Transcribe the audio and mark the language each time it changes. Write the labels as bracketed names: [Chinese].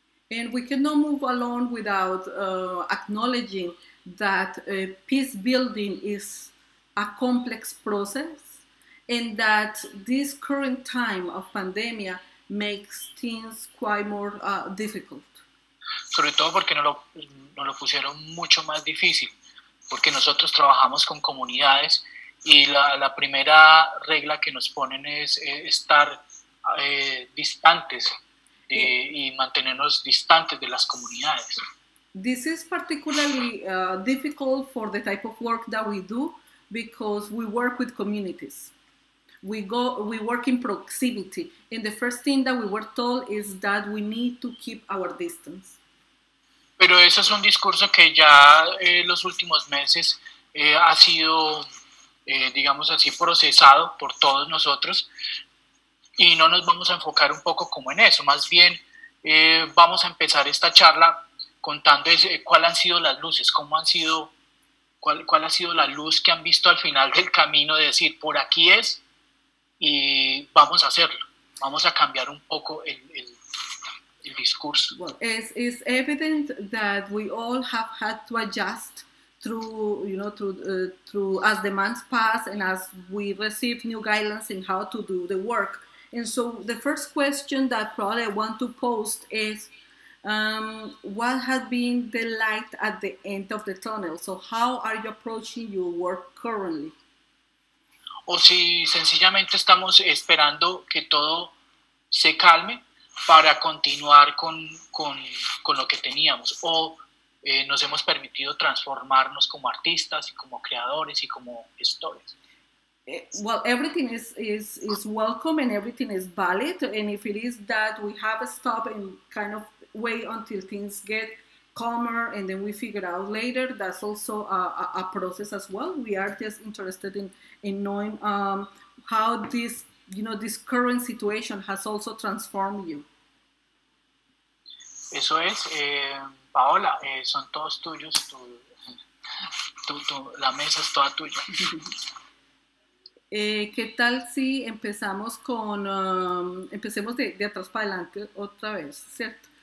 [English] And we cannot move along without acknowledging that peace building is a complex process. And that this current time of pandemia makes things quite more difficult. [Spanish] Sobre todo porque nos lo pusieron mucho más difícil, porque nosotros trabajamos con comunidades y la primera regla que nos ponen es estar distantes y mantenernos distantes de las comunidades. [English] This is particularly difficult for the type of work that we do because we work with communities. We work in proximity, and the first thing that we were told is that we need to keep our distance. [Spanish] Pero eso es un discurso que ya los últimos meses ha sido, digamos así, procesado por todos nosotros, y no nos vamos a enfocar un poco como en eso. Más bien, vamos a empezar esta charla contando cuáles han sido las luces, cómo han sido, cuál ha sido la luz que han visto al final del camino de decir, por aquí es. Y vamos a hacerlo, vamos a cambiar un poco el discurso. [English] Well, it's evident that we all have had to adjust through as the months pass and as we receive new guidelines in how to do the work. And so the first question that probably I want to pose is, what has been the light at the end of the tunnel? So how are you approaching your work currently? [Spanish] O si sencillamente estamos esperando que todo se calme para continuar con lo que teníamos, o nos hemos permitido transformarnos como artistas y como creadores y como gestores. [English] Well, everything is welcome and everything is valid, and if it is that we have a stop and kind of wait until things get calmer and then we figure out later, that's also a process as well. We are just interested in knowing how this, you know, this current situation has also transformed you. [Spanish] Eso es, Paola, son todos tuyos, tu la mesa es toda tuya. ¿Qué tal si empezamos con, empecemos de atrás para adelante otra vez, cierto?